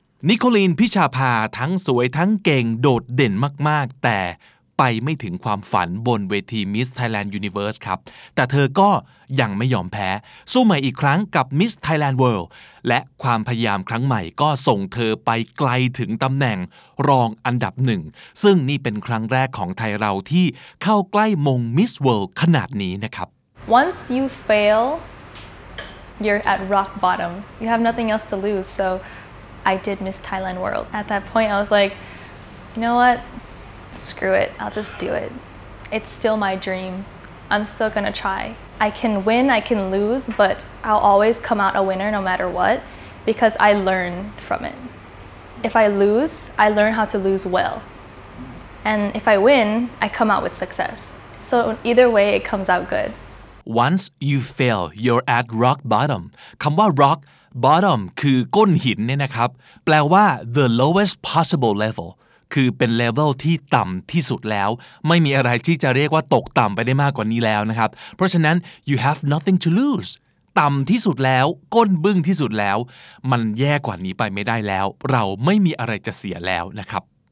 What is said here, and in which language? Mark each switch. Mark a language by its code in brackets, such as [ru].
[th] นิโคลีนพิชาภาทั้งสวยทั้งเก่งโดดเด่นมากๆแต่ไปไม่ถึงความฝันบนเวที Miss Thailand Universe ครับแต่เธอก็ยังไม่ยอมแพ้สู้ใหม่อีกครั้งกับ Miss Thailand World และความพยายามครั้งใหม่ก็ส่งเธอไปไกลถึงตำแหน่งรองอันดับ1ซึ่งนี่เป็นครั้งแรกของไทยเราที่เข้าใกล้มง Miss World ขนาดนี้นะครับ [en] Once you fail you're at rock bottom you have nothing else to lose so I did Miss Thailand World at that point I was like you know whatScrew it. I'll just do it. It's still my dream. I'm still gonna try. I can win, I can lose, but I'll always come out a winner no matter what because I learn from it. If I lose, I learn how to lose well. And if I win, I come out with success. So either way, it comes out good. Once you fail, you're at rock bottom. [th] คำว่า rock bottom คือก้นหินเนี่ยนะครับแปลว่า [en] the lowest possible level. [th] คือเป็นเลเวลที่ต่ำที่สุดแล้วไม่มีอะไรที่จะเรียกว่าตกต่ำไปได้มากกว่านี้แล้วนะครับเพราะฉะนั้น [en] you have nothing to lose [th] ต่ำที่สุดแล้วก้นบึ้งที่สุดแล้วมันแย่กว่านี้ไปไม่ได้แล้วเราไม่มีอะไรจะเสียแล้วนะครับ